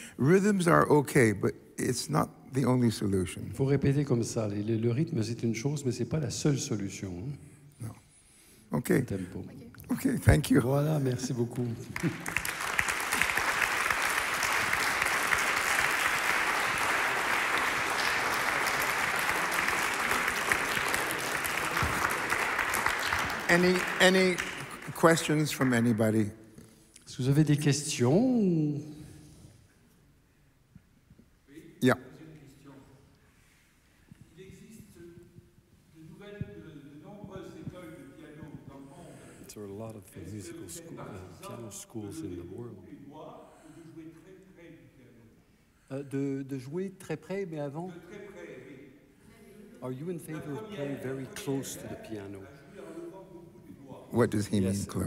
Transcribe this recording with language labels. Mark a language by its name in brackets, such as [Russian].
[English] Rhythms are okay, but it's not the only solution. [French] Il faut répéter comme ça. Le rythme, c'est une chose, mais ce n'est pas la seule solution. [English] No. Okay. Tempo. Okay, thank you. [French] Voilà, merci beaucoup. [English] Any questions from anybody? [French] Est-ce que vous avez des questions? Oui. [English] Yeah. [French] Il existe de nombreuses écoles de piano dans le monde. [English] There are a lot of musical piano schools in the world. [French] De jouer très près, mais avant. [English] Are you in favor of playing very close to the piano? What does he mean, close?